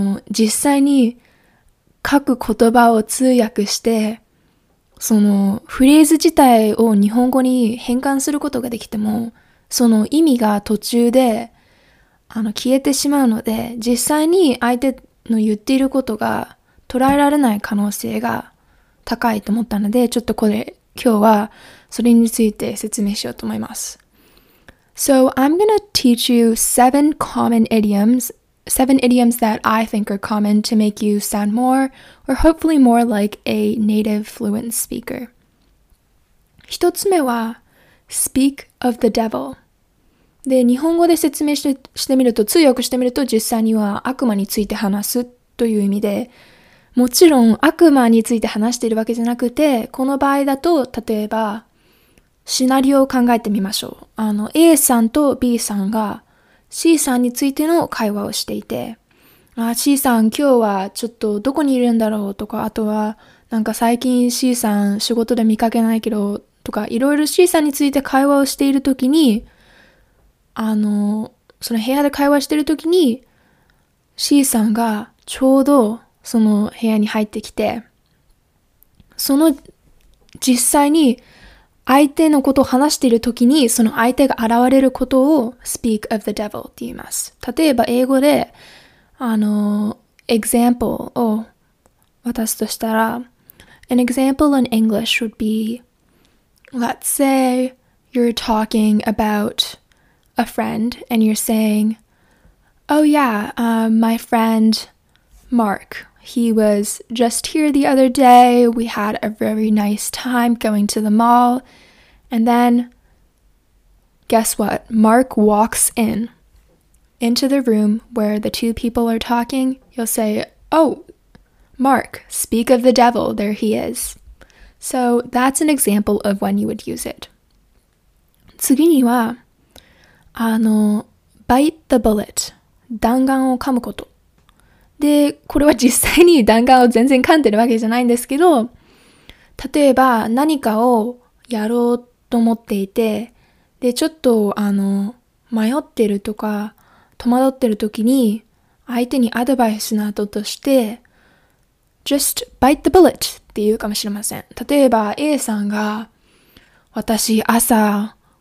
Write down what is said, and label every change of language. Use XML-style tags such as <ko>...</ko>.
<ja>実際に書く言葉を通訳して、そのフレーズ自体を日本語に変換することができても、その意味が途中で消えてしまうので、実際に相手の言っていることが捉えられない可能性が高いと思ったので、ちょっとこれ今日はそれについて説明しようと思います。</ja> <en>So I'm gonna teach you seven idioms that I think are common to make you sound more, or hopefully more like a native fluent speaker.</en> <ja>一つ目は、speak of the devil. で、日本語で説明してみると、通訳してみると、実際には悪魔について話すという意味で、もちろん悪魔について話しているわけじゃなくて、この場合だと、例えば、シナリオを考えてみましょう。 A さんと B さんが、C さんについての会話をしていて、C さん今日はちょっとどこにいるんだろうとか、あとはなんか最近 C さん仕事で見かけないけどとか、いろいろ C さんについて会話をしているときに、その部屋で会話しているときに、C さんがちょうどその部屋に入ってきて、その実際に相手のことを話しているときに、その相手が現れることを speak of the devil って言います。例えば英語で、example を渡すとしたら、</ja> <en>an example in English would be, let's say you're talking about a friend and you're saying, oh yeah, my friend Mark. He was just here the other day. We had a very nice time going to the mall. And then, guess what? Mark walks into the room where the two people are talking. You'll say, oh, Mark, speak of the devil. There he is. So that's an example of when you would use it.</en> <ja>次には、</ja> <en>bite the bullet.</en> <ja>弾丸を噛むこと。で、これは実際に弾丸を全然噛んでるわけじゃないんですけど、例えば何かをやろうと思っていて、で、ちょっと迷ってるとか、戸惑ってる時に、相手にアドバイスなどとして、just bite the bullet って言うかもしれません。例えば A さんが、私朝</ja>